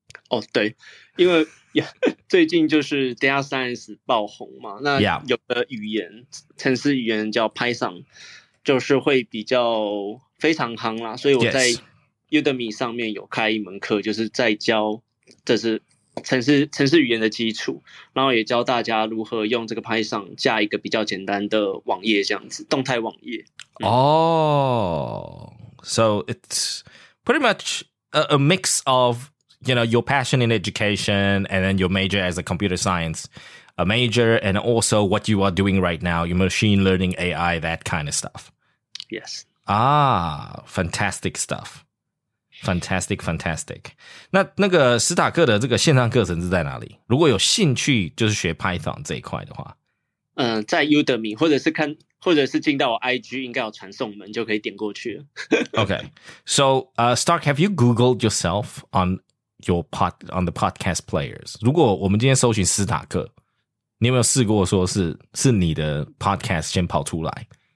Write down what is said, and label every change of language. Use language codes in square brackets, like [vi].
[zh] 哦，对，因为最近就是 Data Science 爆红嘛，那有个语言，程式语言叫 Python， 就是会比较。非常夯啦，所以我在 Udemy 上面有开一门课，就是在教这是程式语言的基础，然后也教大家如何用这个 Python 架一个比较简单的网页，这样子动态网页。 [en] 哦、嗯 so it's pretty much a mix of you know your passion in education and then your major as a computer science a major and also what you are doing right now your machine learning AI that kind of stuff. Yes. Fantastic stuff. Fantastic, fantastic. [zh] 那个史塔克的这个线上课程是在哪里？如果有兴趣就是学 Python 这一块的话，在 Udemy 或者是看，或者是进到我 IG 应该有传送门就可以点过去了。 [en] Okay. So, Stark, have you Googled yourself on on the podcast players? [zh] 如果我们今天搜寻史塔克，你有没有试过说是你的 podcast 先跑出来？